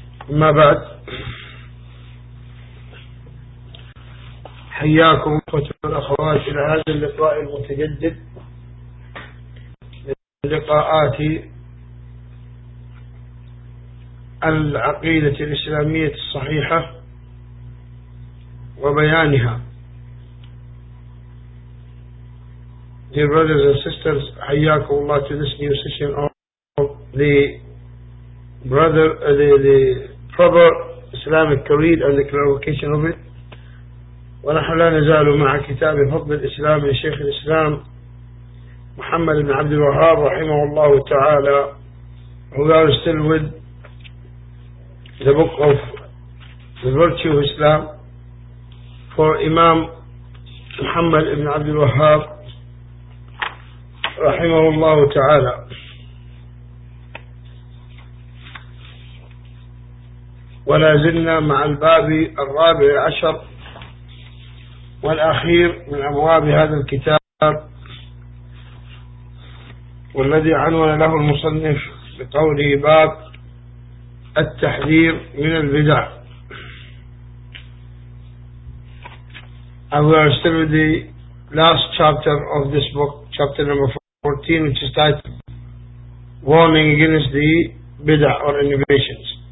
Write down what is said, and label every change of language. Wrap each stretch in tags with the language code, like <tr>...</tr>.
<ar>أما بعد، حياكم أخوتي والأخوات إلى هذا اللقاء المتجدد من لقاءات العقيدة الإسلامية الصحيحة وبيانها.</ar> <en>Dear brothers and sisters,</en> <ar>حياكم الله</ar> <en>to this new session of the brother, the proper Islamic creed and the clarification of it.</en> <ar>ونحن لا نزال مع كتاب فضل الإسلام لشيخ الإسلام محمد بن عبد الوهاب رحمه الله تعالى.</ar> <en>We are still with the book of the virtue of Islam for Imam محمد بن عبد الوهاب</en> <ar>رحمه الله تعالى. ولا زلنا مع الباب الرابع عشر والأخير من أبواب هذا الكتاب، والذي عنون له المصنف بقوله باب التحذير من البدع.</ar> <en>And we are still with the last chapter of this book, chapter number 14, which is titled Warning Against the Bid'ah or Innovations.</en>